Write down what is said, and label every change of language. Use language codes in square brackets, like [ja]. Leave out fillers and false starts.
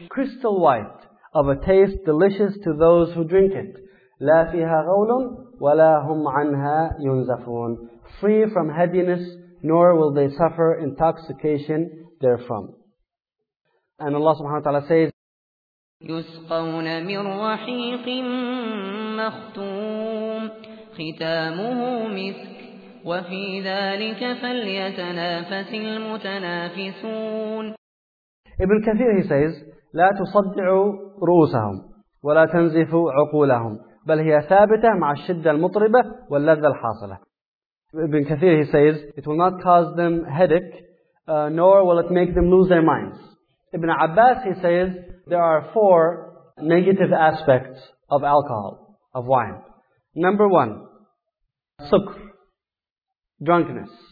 [en] Crystal white, of a taste delicious to those who drink it. [ar] لا فيها غول ولا هم عنها ينزفون. [en] Free from heaviness, nor will they suffer intoxication therefrom. And Allah subhanahu wa ta'ala says, [ar] يسقون من رحيق مختوم ختامه مسك وفي ذلك فليتنافس المتنافسون. [en] Ibn Kathir, he says, [ar] لا تصدعوا رؤوسهم ولا تنزفوا عقولهم بل هي ثابتة مع الشدة المطربة واللذة الحاصلة. [en] Ibn Kathir, he says, it will not cause them headache, nor will it make them lose their minds. Ibn Abbas, he says, there are four negative aspects of alcohol, of wine. Number one, sukr, drunkenness.